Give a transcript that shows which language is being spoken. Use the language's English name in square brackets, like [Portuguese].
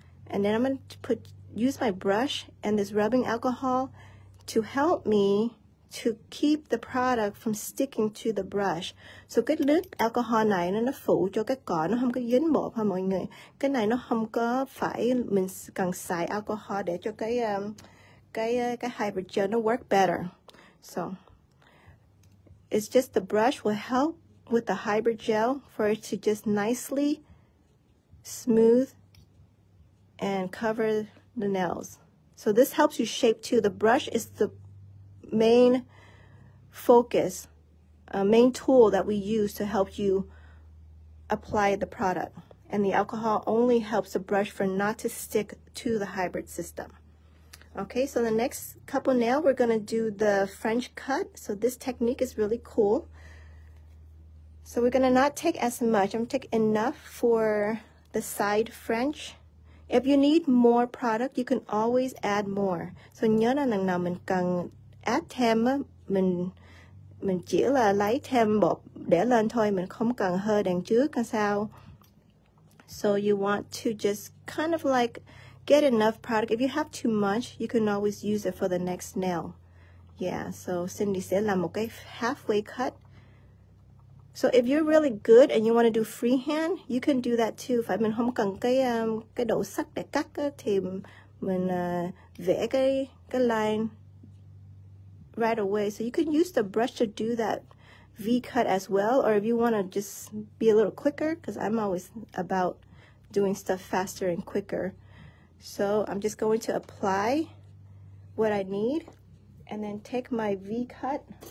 [English] And then I'm going to use my brush and this rubbing alcohol to help me to keep the product from sticking to the brush. [Vietnamese] So cái nước alcohol này nó phụ cho cái cỏ, nó không có dính bột ha mọi người. Cái này nó không có phải mình cần xài alcohol để cho cái hybrid gel nó [English] work better. So it's just the brush will help with the hybrid gel for it to just nicely smooth and cover the nails. So this helps you shape too. The brush is the main focus, a main tool that we use to help you apply the product. And the alcohol only helps the brush for not to stick to the hybrid system. Okay, so the next couple nail, we're gonna do the French cut. So this technique is really cool. So we're gonna not take as much. I'm gonna take enough for the side French. If you need more product, you can always add more. [Vietnamese] So nhớ là lần nào mình cần add thêm, mình chỉ là lấy thêm bột để lên thôi, mình không cần hơ đằng trước hay sao. [English] So you want to just kind of like get enough product. If you have too much, you can always use it for the next nail. [Vietnamese] Yeah, so Cindy sẽ làm một cái [English] halfway cut. So if you're really good and you want to do freehand, you can do that too. [Vietnamese] Phải mình không cần cái đầu sắc để cắt thì mình vẽ cái [English] line right away. So you can use the brush to do that V cut as well. Or if you want to just be a little quicker, because I'm always about doing stuff faster and quicker. So I'm just going to apply what I need and then take my V cut